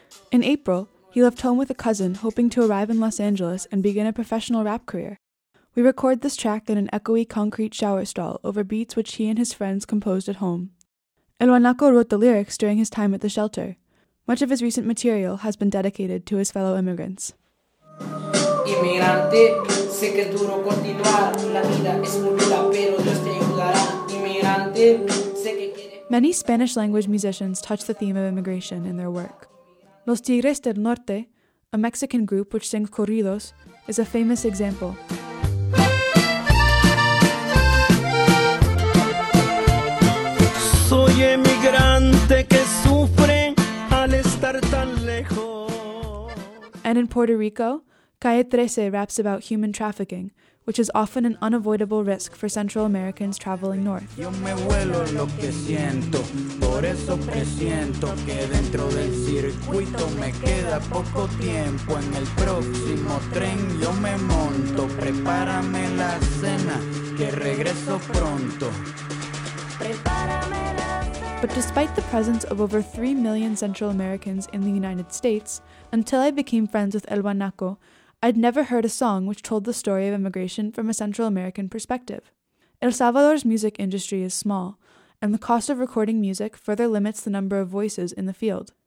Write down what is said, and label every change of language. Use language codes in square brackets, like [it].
[en] In April, he left home with a cousin hoping to arrive in Los Angeles and begin a professional rap career. We record this track in an echoey concrete shower stall over beats which he and his friends composed at home. El Guanaco wrote the lyrics during his time at the shelter. Much of his recent material has been dedicated to his fellow immigrants. [es] Inmigrante, sé que es duro continuar, la vida es muy dura, pero Dios te ayudará. Inmigrante, sé que quiere... [en] Many Spanish language musicians touch the theme of immigration in their work. Los Tigres del Norte, a Mexican group which sings corridos, is a famous example. [es] Soy emigrante que sufre al estar tan lejos. [en] And in Puerto Rico, Calle 13 raps about human trafficking, which is often an unavoidable risk for Central Americans traveling north. [es] Yo me vuelo lo que siento, por eso que siento que dentro del circuito me queda poco tiempo. En el próximo tren yo me monto, prepárame la cena, que regreso pronto. [en] But despite the presence of over 3 million Central Americans in the United States, until I became friends with El Guanaco, I'd never heard a song which told the story of immigration from a Central American perspective. El Salvador's music industry is small, and the cost of recording music further limits the number of voices in the field.